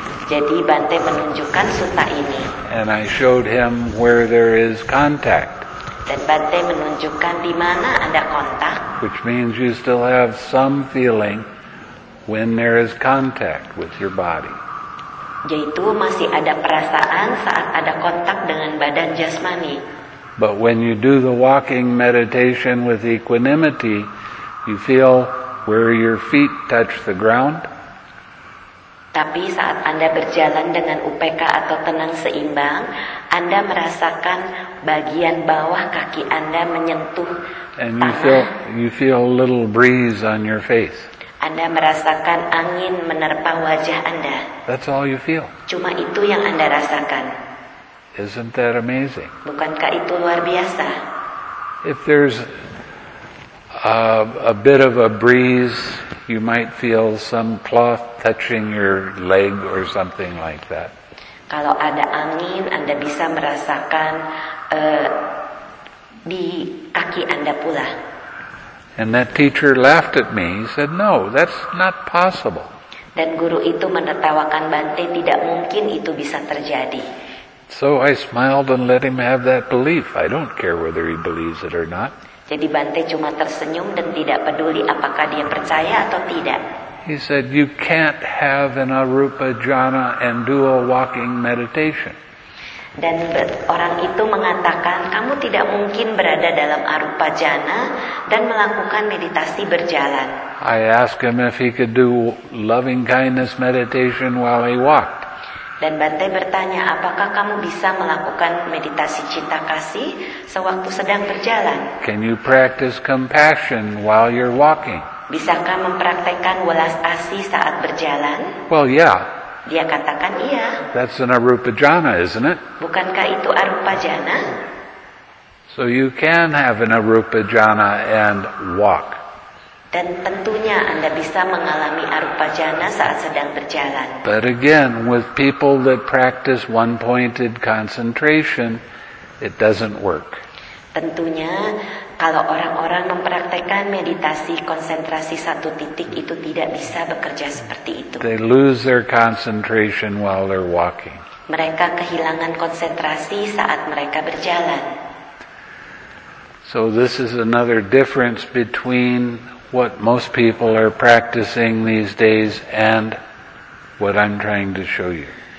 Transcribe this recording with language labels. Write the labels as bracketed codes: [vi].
[id] Jadi Bante menunjukkan sutta ini. [en] And I showed him where there is contact. [id] Dan Bante menunjukkan di mana ada kontak. [en] Which means you still have some feeling when there is contact with your body. [id] Yaitu masih ada perasaan saat ada kontak dengan badan jasmani. [en] But when you do the walking meditation with equanimity, you feel where your feet touch the ground. [id] Tapi saat Anda berjalan dengan UPK atau tenang seimbang, Anda merasakan bagian bawah kaki Anda menyentuh tanah. [en] And you feel a little breeze on your face. [id] Anda merasakan angin menerpa wajah Anda. [en] That's all you feel. [id] Cuma itu yang Anda rasakan. [en] Isn't that amazing? [id] Bukankah itu luar biasa? [en] If there's a bit of a breeze, you might feel some cloth touching your leg or something like that. [id] Kalau ada angin, Anda bisa merasakan di kaki Anda pula. [en] And that teacher laughed at me. He said, "No, that's not possible." [id] Dan guru itu menertawakan Bante, tidak mungkin itu bisa terjadi. [en] So I smiled and let him have that belief. I don't care whether he believes it or not. [id] Jadi Bante cuma tersenyum dan tidak peduli apakah dia percaya atau tidak. [en] He said, "You can't have an arupa jhana and dual walking meditation." [id] Dan orang itu mengatakan, kamu tidak mungkin berada dalam arupa jhana dan melakukan meditasi berjalan. [en] I asked him if he could do loving kindness meditation while he walked. [id] Dan Bante bertanya, apakah kamu bisa melakukan meditasi cinta kasih sewaktu sedang berjalan? [en] Can you practice compassion while you're walking? [id] Bisakah mempraktekkan welas asih saat berjalan? [en] Well, yeah. [id] Dia katakan iya. [en] That's an arupa jhana, isn't it? [id] Bukankah itu arupa jhana? [en] So you can have an arupa jhana and walk. [id] Dan tentunya Anda bisa mengalami arupa jhana saat sedang berjalan. [en] But again, with people that practice one-pointed concentration, it doesn't work. [id] Tentunya kalau orang-orang mempraktikkan meditasi konsentrasi satu titik itu tidak bisa bekerja seperti itu. [en] They lose their concentration while they're walking. [id] Mereka kehilangan konsentrasi saat mereka berjalan. [en] So this is another difference between what most people are practicing these days and what I'm trying to show you.